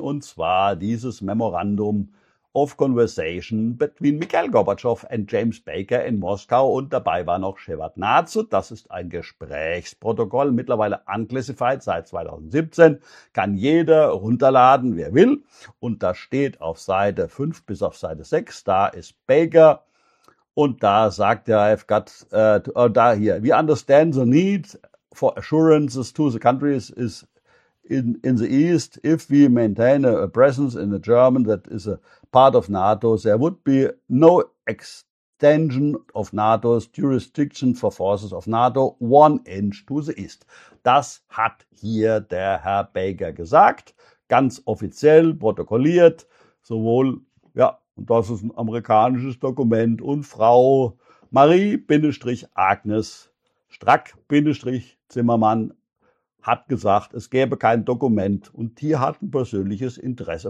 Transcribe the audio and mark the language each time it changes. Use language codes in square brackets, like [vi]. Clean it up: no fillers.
[de] Und zwar dieses Memorandum of Conversation between Mikhail Gorbatschow and James Baker in Moskau. Und dabei war noch Shevardnadze. Das ist ein Gesprächsprotokoll, mittlerweile unclassified seit 2017. Kann jeder runterladen, wer will. Und da steht auf Seite 5 bis auf Seite 6, da ist Baker. Und da sagt er, [en] we understand the need for assurances to the countries is in the East, if we maintain a presence in the German that is a part of NATO, there would be no extension of NATO's jurisdiction for forces of NATO one inch to the East. [de] Das hat hier der Herr Baker gesagt, ganz offiziell protokolliert, sowohl, ja, und das ist ein amerikanisches Dokument, und Frau Marie-Agnes Strack-Zimmermann hat gesagt, es gäbe kein Dokument und die hat ein persönliches Interesse.